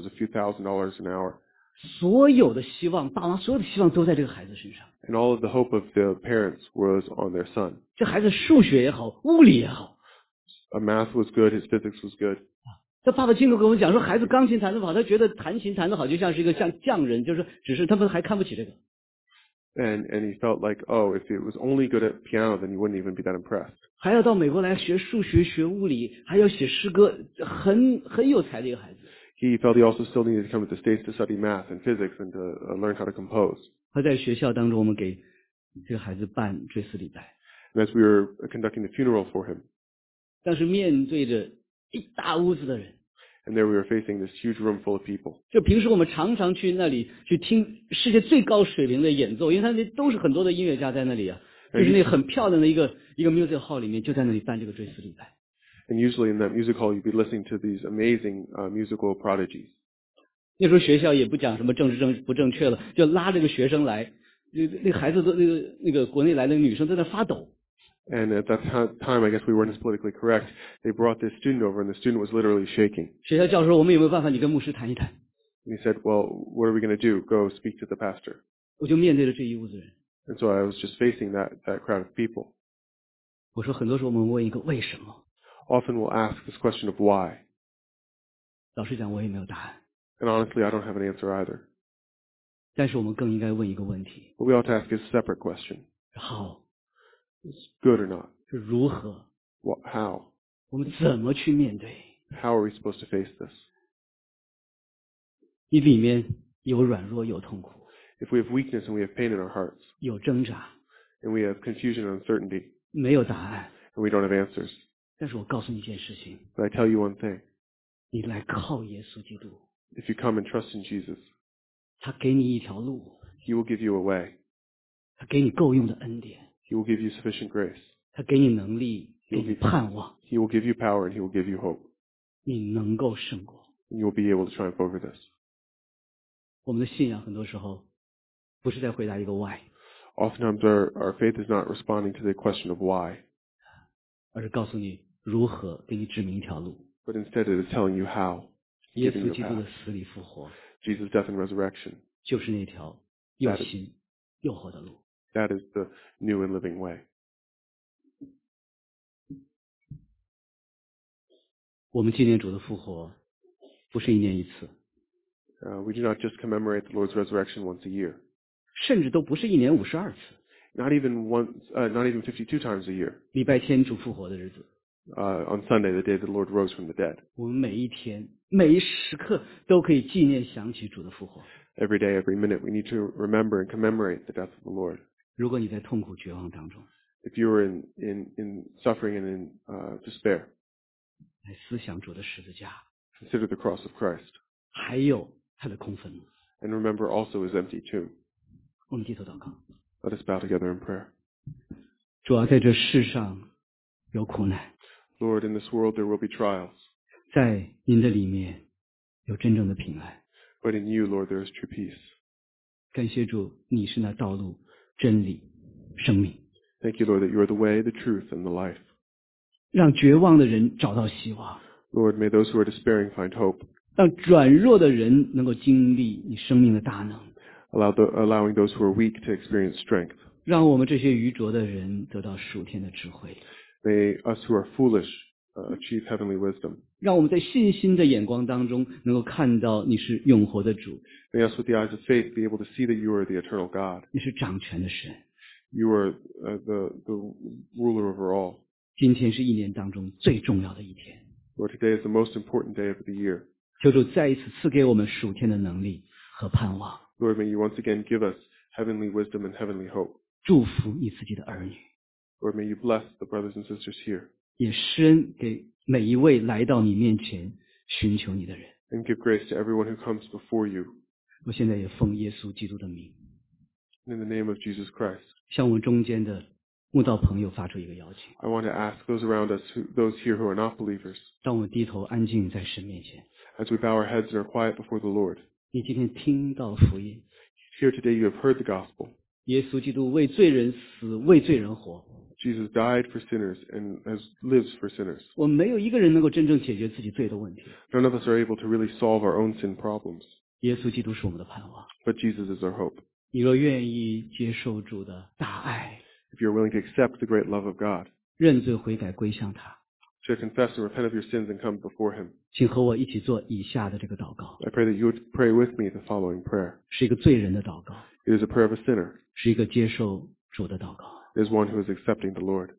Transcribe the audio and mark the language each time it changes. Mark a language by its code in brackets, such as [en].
[en] It was a few $1,000 an hour. [zh] 所有的希望，爸妈所有的希望都在这个孩子身上。 [en] And all of the hope of the parents was on their son. [zh] 这孩子数学也好，物理也好。 [en] Math was good. His physics was good. [zh] 他爸爸亲口跟我们讲说，孩子钢琴弹得好，他觉得弹琴弹得好就像是一个像匠人，就是只是他们还看不起这个。 [en] And he felt like, oh, if it was only good at piano, then you wouldn't even be that impressed. [zh] 还要到美国来学数学、学物理，还要写诗歌，很有才的一个孩子。 [en] He felt he also still needed to come to the States to study math and physics and to learn how to compose. [zh] 他在学校当中，我们给这个孩子办追思礼拜。 [en] And as we were conducting the funeral for him, [zh] 当时面对着一大屋子的人。 [en] And there we were facing this huge room full of people. [zh] 就平时我们常常去那里去听世界最高水平的演奏，因为他那都是很多的音乐家在那里啊，就是那很漂亮的一个 music hall 里面，就在那里办这个追思礼拜。 [en] And usually in that music hall, you'd be listening to these amazing musical prodigies. [zh] 那时候学校也不讲什么政治不正确了，就拉这个学生来，那孩子都那个国内来的女生在那发抖。 [en] And at that time, I guess we weren't as politically correct. They brought this student over, and the student was literally shaking. [zh] 学校教授说，我们有没有办法，你跟牧师谈一谈。 [en] And he said, well, what are we going to do? Go speak to the pastor. [zh] 我就面对了这一屋子人。 [en] And so I was just facing that crowd of people. [zh] 我说很多时候我们问一个为什么。 [en] often will ask this question of why. [zh] 老实讲，我也没有答案。 [en] And honestly, I don't have an answer either. [zh] 但是我们更应该问一个问题。 [en] What we ought to ask is a separate question. How? Is good or not? [zh] 是如何？ [en] What, how? [zh] 我们怎么去面对？ [en] How are we supposed to face this? [zh] 你里面有软弱，有痛苦。 [en] If we have weakness and we have pain in our hearts. [zh] 有挣扎。 [en] And we have confusion and uncertainty. [zh] 没有答案。 [en] And we don't have answers. [zh] 但是我告诉你一件事情。 [en] But I tell you one thing. [zh] 你来靠耶稣基督。 [en] If you come and trust in Jesus, [zh] 他给你一条路。 [en] He will give you a way. [zh] 他给你够用的恩典。 [en] He will give you sufficient grace. [zh] 他给你能力，给你盼望。 [en] He will give you power and he will give you hope. [zh] 你能够胜过。 [en] And you will be able to triumph over this. [zh] 我们的信仰很多时候不是在回答一个 why。 [en] Oftentimes our faith is not responding to the question of why. [zh] 而是告诉你如何，给你指明一条路。 [en] But instead it is telling you how. [zh] 耶稣基督的死里复活 [en] Jesus' death and resurrection [zh] 就是那条又新又活的路 [en] That is the new and living way [zh] 我们纪念主的复活不是一年一次 [en] We do not just commemorate the Lord's resurrection once a year [zh] 甚至都不是一年五十二次 [en] Not even 52 times a year [zh] 礼拜天主复活的日子 [en] On Sunday, the day the Lord rose from the dead. [zh] 我们每一天每一时刻都可以纪念想起主的复活。 [en] Every day, every minute, we need to remember and commemorate the death of the Lord. [zh] 如果你在痛苦绝望当中 [en] If you are in suffering and in despair, [zh] 来思想主的十字架 [en] Consider the cross of Christ. [zh] 还有他的空坟 [en] And remember also his empty tomb. [zh] 我们低头祷告 [en] Let us bow together in prayer. [zh] 主啊，在这世上有苦难。 [en] Lord, in this world there will be trials. [zh] 在您的里面有真正的平安。 [en] But in you, Lord, there is true peace. [zh] 感谢主，你是那道路、真理、生命。 [en] Thank you, Lord, that you are the way, the truth, and the life. [zh] 让绝望的人找到希望。 [en] Lord, may those who are despairing find hope. [zh] 让软弱的人能够经历你生命的大能。 [en] Allowing those who are weak to experience strength. [zh] 让我们这些愚拙的人得到属天的智慧。 [en] May us who are foolish achieve heavenly wisdom. [zh] 让我们在信心的眼光当中能够看到你是永活的主。 [en] May us with the eyes of faith be able to see that you are the eternal God. [zh] 你是掌权的神。 [en] You are the ruler over all. [zh] 今天是一年当中最重要的一天。 [en] Lord, today is the most important day of the year. [zh] 求主再一次赐给我们属天的能力和盼望。 [en] Lord, may you once again give us heavenly wisdom and heavenly hope. [zh] 祝福你自己的儿女。 [en] Lord, may you bless the brothers and sisters here. [zh] 也施恩给每一位来到你面前寻求你的人。 [en] And give grace to everyone who comes before you. [zh] 我现在也奉耶稣基督的名。 [en] In the name of Jesus Christ. [zh] 向我们中间的慕道朋友发出一个邀请。 [en] I want to ask those around us, those here who are not believers. [zh] 当我们低头安静在神面前。 [en] As we bow our heads and are quiet before the Lord. [zh] 你今天听到福音。 [en] Here today you have heard the gospel. [zh] 耶稣基督为罪人死，为罪人活。 [en] Jesus died for sinners and lives for sinners. [zh] 我没有一个人能够真正解决自己罪的问题。 [en] None of us are able to really solve our own sin problems. [zh] 耶稣基督是我们的盼望。 [en] But Jesus is our hope. [zh] 你若愿意接受主的大爱。 [en] If you're willing to accept the great love of God. [zh] 认罪悔改归向他。 [en] To confess and repent of your sins and come before him. [zh] 请和我一起做以下的这个祷告。 [en] I pray that you would pray with me the following prayer. [zh] 是一个罪人的祷告。 [en] It is a prayer of a sinner. [zh] 是一个接受主的祷告。 [en] Is one who is accepting the Lord.